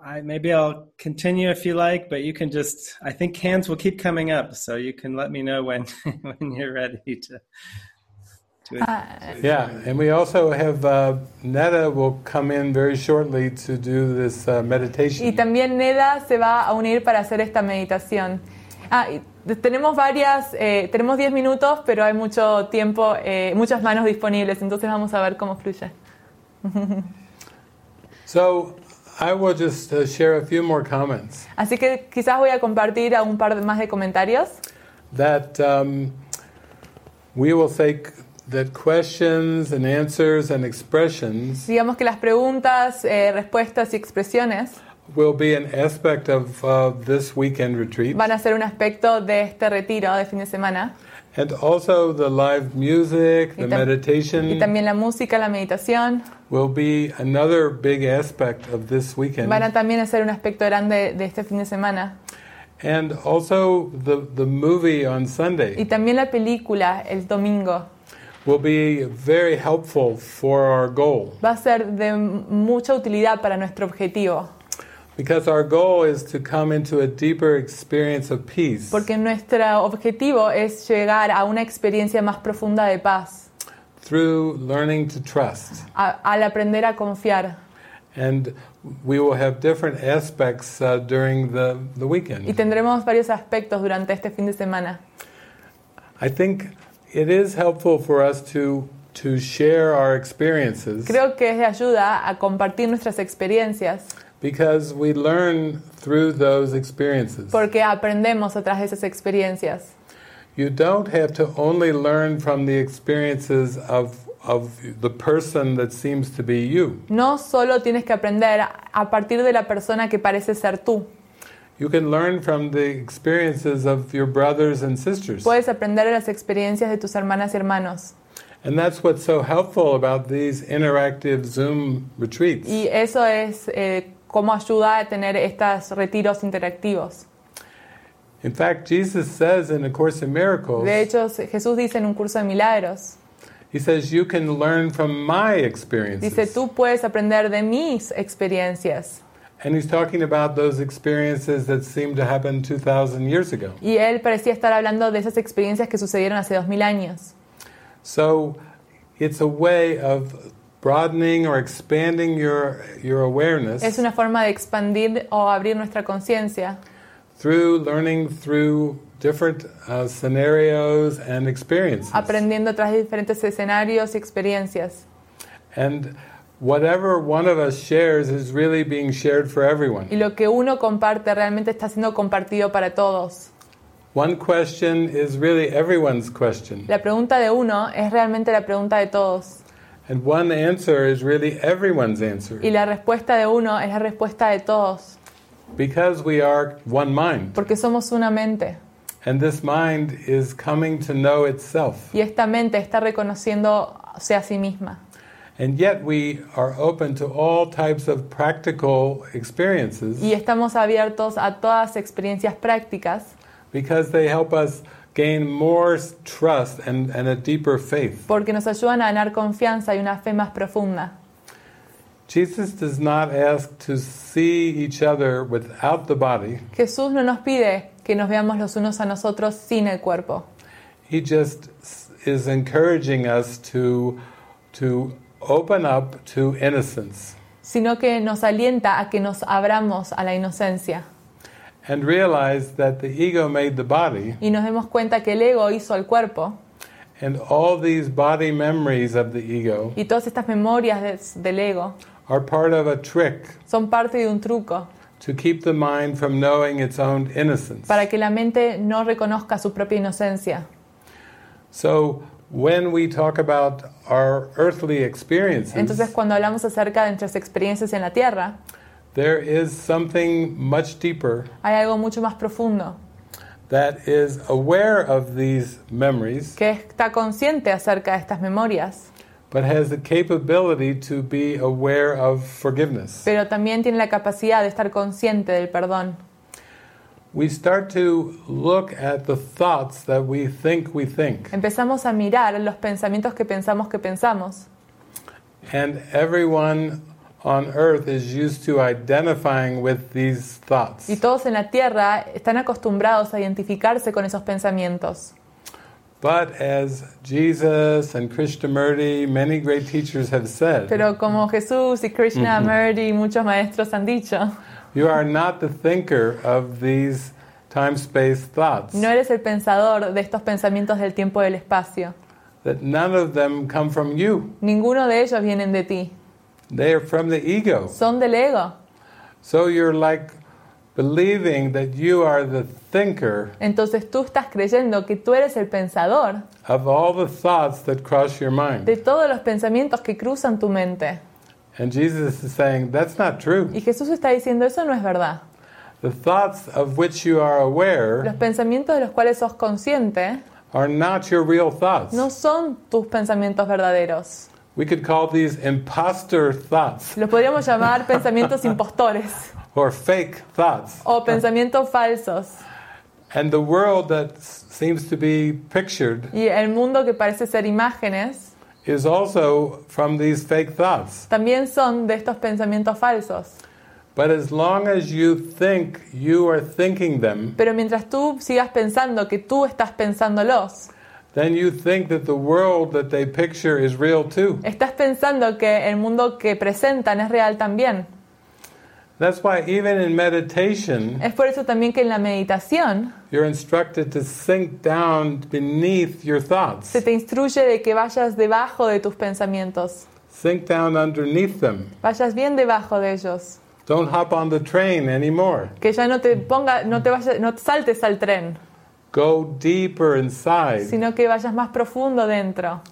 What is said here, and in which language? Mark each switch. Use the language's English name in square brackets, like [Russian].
[English] Maybe I'll continue if you like, but you can just, I think hands will keep coming up, so you can let me know when you're ready to. Yeah, and we also have Neda will come in very shortly to do this meditation. [Spanish] Y también Neda se va a unir para hacer esta meditación. Tenemos 10 minutos, pero hay mucho tiempo, muchas manos disponibles, entonces vamos a ver cómo fluye. [English] So, I will just share a few more comments. [Spanish] Así que quizás voy a compartir un par más de comentarios. [English] That we will say that questions and answers and expressions. [Spanish] Digamos que las preguntas, respuestas y expresiones. [English] Will be an aspect of this weekend retreat. [Spanish] Van a ser un aspecto de este retiro de fin de semana. [English] And also the live music, the meditation. [Spanish] Y también la música, la meditación. [English] Will be another big aspect of this weekend. [Spanish] Van a también ser un aspecto grande de este fin de semana. [English] And also the movie on Sunday. [Spanish] Y también la película el domingo. [English] Will be very helpful for our goal. [Spanish] Va a ser de mucha utilidad para nuestro objetivo. [English] Because our goal is to come into a deeper experience of peace. [Spanish] Porque nuestro objetivo es llegar a una experiencia más profunda de paz. [English] Through learning to trust. [Spanish] Al aprender a confiar. [English] And we will have different aspects during the weekend. [Spanish] Y tendremos varios aspectos durante este fin de semana. [English] I think it is helpful for us to share our experiences. [Spanish] Creo que es de ayuda a compartir nuestras experiencias. [English] Because we learn through those experiences. [Spanish] Porque aprendemos a través de esas experiencias. [English] You don't have to only learn from the experiences of the person that seems to be you. [Spanish] No solo tienes que aprender a partir de la persona que parece ser tú. [English] You can learn from the experiences of your brothers and sisters. [Spanish] Puedes aprender de las experiencias de tus hermanas y hermanos. [English] And that's what's so helpful about these interactive Zoom retreats. [Spanish] Y eso es cómo ayuda a tener estos retiros interactivos. [English] In fact, Jesus says in A Course in Miracles. [Spanish] De hecho, Jesús dice en un curso de milagros. [English] He says you can learn from my experiences. [Spanish] Dice tú puedes aprender de mis experiencias. [English] And he's talking about those experiences that seemed to happen 2,000 years ago. [Spanish] Y él parecía estar hablando de esas experiencias que sucedieron hace 2,000 años. [English] So It's a way of broadening or expanding your awareness. [Spanish] Es una forma de expandir o abrir nuestra conciencia. [English] Through learning through different scenarios and experiences. [Spanish] Aprendiendo tras diferentes escenarios y experiencias. [English] And whatever one of us shares is really being shared for everyone. [Spanish] Y lo que uno comparte realmente está siendo compartido para todos. [English] One question is really everyone's question. [Spanish] La pregunta de uno es realmente la pregunta de todos. [English] And one answer is really everyone's answer. [Spanish] Y la respuesta de uno es la respuesta de todos. [English] Because we are one mind. [Spanish] Porque somos una mente. [English] And this mind is coming to know itself. [Spanish] Y esta mente está reconociéndose a sí misma. [English] And yet we are open to all types of practical experiences. [Spanish] Y estamos abiertos a todas experiencias prácticas. [English] Because they help us gain more trust and a deeper faith. [Spanish] Porque nos ayudan a ganar confianza y una fe más profunda. [English] Jesus does not ask to see each other without the body. [Spanish] Jesús no nos pide que nos veamos los unos a nosotros sin el cuerpo. [English] He just is encouraging us to open up to innocence. [Spanish] Sino que nos alienta a que nos abramos a la inocencia. [English] And realize that the ego made the body. [Spanish] Y nos demos cuenta que el ego hizo el cuerpo. [English] And all these body memories of the ego. [Spanish] Y todas estas memorias del ego. [English] Are part of a trick. [Spanish] Son parte de un truco. [English] To keep the mind from knowing its own innocence. [Spanish] Para que la mente no reconozca su propia inocencia. [English] So when we talk about our earthly experiences. [Spanish] Entonces cuando hablamos acerca de nuestras experiencias en la tierra. [English] There is something much deeper. [Spanish] Hay algo mucho más profundo. [English] That is aware of these memories. [Spanish] Que está consciente acerca de estas memorias. [English] But has the capability to be aware of forgiveness. [Spanish] Pero también tiene la capacidad de estar consciente del perdón. [English] We start to look at the thoughts that we think we think. [Spanish] Empezamos a mirar los pensamientos que pensamos que pensamos. [English] And everyone on earth is used to identifying with these thoughts. [Spanish] Y todos en la tierra están acostumbrados a identificarse con esos pensamientos. [English] But as Jesus and Krishnamurti, many great teachers have said. [Spanish] Pero como Jesús y Krishnamurti, muchos maestros han dicho. [English] You are not the thinker of these time-space thoughts. [Spanish] No eres el pensador de estos pensamientos del tiempo y del espacio. [English] That none of them come from you. [Spanish] Ninguno de ellos vienen de ti. [English] They are from the ego. [Spanish] Son del ego. [English] So you're like believing that you are the thinker. [Spanish] Entonces tú estás creyendo que tú eres el pensador. [English] Of all the thoughts that cross your mind. [Spanish] De todos los pensamientos que cruzan tu mente. [English] And Jesus is saying that's not true. [Spanish] Y Jesús está diciendo eso no es verdad. [English] The thoughts of which you are aware. [Spanish] Los pensamientos de los cuales sos consciente. [English] Are not your real thoughts. [Spanish] No son tus pensamientos verdaderos. [English] We could call these imposter thoughts. [Spanish] Los podríamos llamar pensamientos impostores. [English] Or fake thoughts. [Spanish] O pensamientos falsos. [English] And the world that seems to be pictured. [Spanish] Y el mundo que parece ser imágenes. [English] Is also from these fake thoughts. [Spanish] También son de estos pensamientos falsos. [English] But as long as you think you are thinking them. [Spanish] Pero mientras tú sigas pensando que tú estás pensándolos. [English] Then you think that the world that they picture is real too. [Spanish] Estás pensando que el mundo que presentan es real también. [English] That's why even in meditation. [Spanish] Es por eso también que en la meditación. [English] You're instructed to sink down beneath your thoughts. [Spanish] Se te instruye de que vayas debajo de tus pensamientos. [English] Sink down underneath them. [Spanish] Vayas bien debajo de ellos. [English] Don't hop on the train anymore. [Spanish] Que ya no te ponga, no te vayas, no te saltes al tren. [English] Go deeper inside. [Spanish] Sino que vayas más profundo dentro.